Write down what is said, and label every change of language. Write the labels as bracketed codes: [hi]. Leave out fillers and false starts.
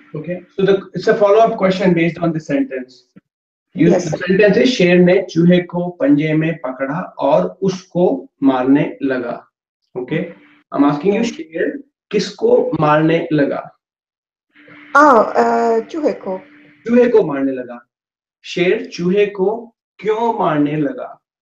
[en] Okay, so it's a follow-up question based on the sentence. The sentence is [hi] शेर ने चूहे को पंजे में पकड़ा और उसको मारने लगा. [en] Okay, I'm asking you [hi] शेर किसको मारने लगा? चूहे को मारने लगा. शेर चूहे को क्यों मारने लगा?